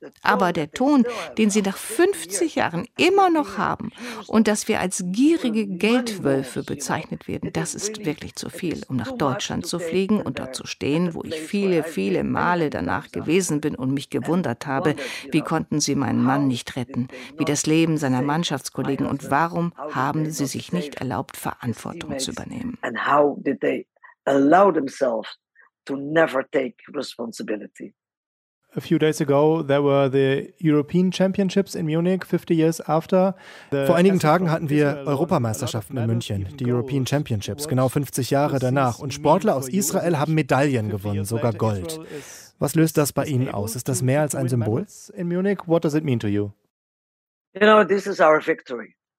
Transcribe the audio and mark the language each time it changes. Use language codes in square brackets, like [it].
[de] Aber der Ton, den Sie nach 50 Jahren immer noch haben und dass wir als gierige Geldwölfe bezeichnet werden, das ist wirklich zu viel, um nach Deutschland zu fliegen und dort zu stehen, wo ich viele, viele Male danach gewesen bin und mich gewundert habe, wie konnten Sie meinen Mann nicht retten, wie das Leben seiner Mannschaftskollegen und warum haben Sie sich nicht erlaubt, Verantwortung zu übernehmen. [en] And how did they allow themselves to never take responsibility? A few days ago there were the European Championships in Munich, 50 years after. [de] Vor einigen Tagen hatten wir Europameisterschaften in München, [en] die European Championships, [de] genau 50 Jahre danach. Und Sportler aus Israel haben Medaillen gewonnen, sogar Gold. Was löst das bei Ihnen aus? Ist das mehr als ein Symbol? [en] In Munich, what does it mean to you? You know, this is our victory.